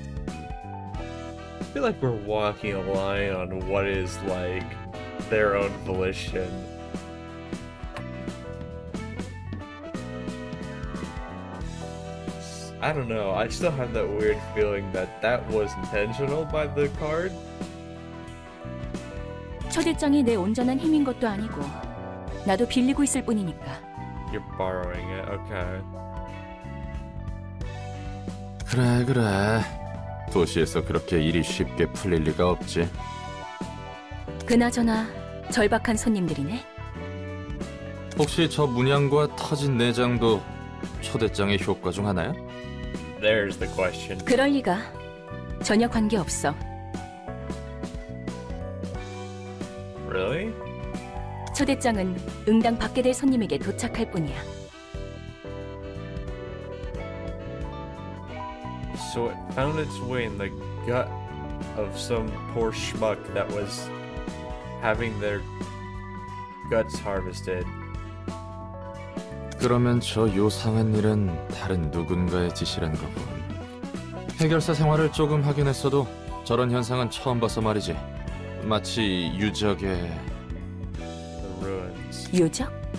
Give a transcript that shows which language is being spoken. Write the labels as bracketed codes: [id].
[en] I feel like we're walking a line on what is like their own volition. I don't know. I still have that weird feeling that that was intentional by the card. [ko] 초대장이 내 온전한 힘인 것도 아니고 나도 빌리고 있을 뿐이니까. [en] You're borrowing it, okay. [ko] 그래, 그래. 도시에서 그렇게 일이 쉽게 풀릴 리가 없지. 그나저나 절박한 손님들이네. 혹시 저 문양과 터진 내장도 초대장의 효과 중 하나야? [en] There's the question. [ko] 그럴 리가. 전혀 관계 없어. [en] Really? [ko] 초대장은 응당 받게 될 손님에게 도착할 뿐이야. [en] So it found its way in the gut of some poor schmuck that was having their guts harvested. [ko] 그러면 저 요상한 일은 다른 누군가의 짓이란 거군. 해결사 생활을 조금 하긴 했어도 저런 현상은 처음 봐서 말이지. 마치 유적의... [en] The ruins. [ko] 유적?